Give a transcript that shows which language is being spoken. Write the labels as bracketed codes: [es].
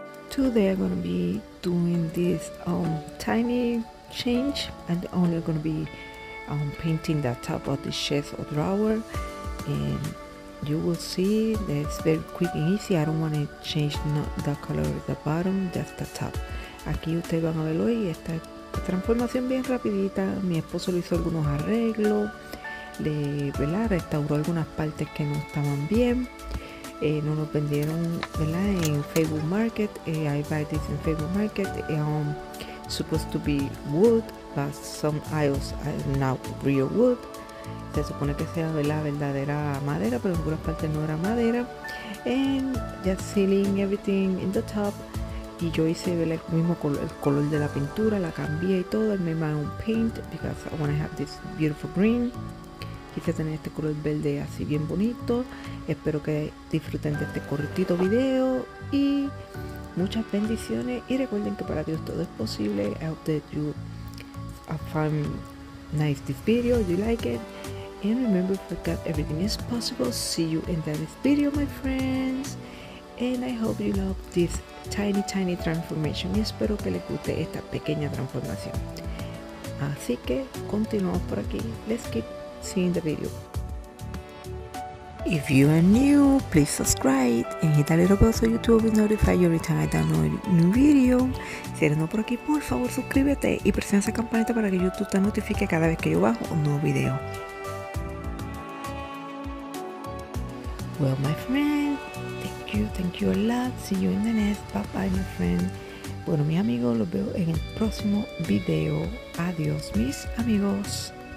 [en] Today I'm gonna be doing this tiny change and only gonna be painting the top of the chest or drawer, and you will see that it's very quick and easy. I don't wanna change not the color of the bottom, just the top. [es] Aquí ustedes van a verlo y esta transformación bien rapidita. Mi esposo le hizo algunos arreglos, le, ¿verdad?, restauró algunas partes que no estaban bien. No nos vendieron, ¿verdad?, en Facebook Market. [en] I buy this in Facebook Market. Supposed to be wood, but some aisles are not real wood. [es] Se supone que sea, ¿verdad?, verdadera madera, pero en algunas partes no era madera. [en] And just sealing everything in the top. [es] Y yo hice el mismo color, el color de la pintura, la cambié y todo. [en] I made my own paint because I want to have this beautiful green. [es] Quise tener este color verde así bien bonito. Espero que disfruten de este cortito video y muchas bendiciones. Y recuerden que para Dios todo es posible. [en] I hope that you find nice this video, you like it. And remember, for God everything is possible. See you in the next video, my friends. And I hope you love this tiny transformation. [es] Y espero que les guste esta pequeña transformación. Así que continuamos por aquí. [en] Let's keep seeing the video. If you are new, please subscribe and hit that little bell so YouTube will notify you every time I download a new video. [es] Si eres nuevo por aquí, por favor suscríbete y presiona esa campanita para que YouTube te notifique cada vez que yo bajo un nuevo video. [en] Well, my friend, thank you a lot. See you in the next. Bye bye, my friend. [es] Bueno, mis amigos, los veo en el próximo video. Adiós, mis amigos.